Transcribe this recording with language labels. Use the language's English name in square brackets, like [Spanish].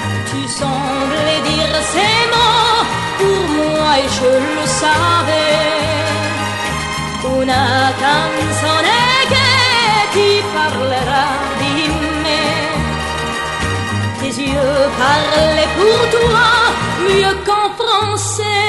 [French] Tu semblais dire ces mots pour moi et je le savais. [Italian] Una canzone che ti parlerà di me. [French] Tes yeux parlaient pour toi mieux qu'en français.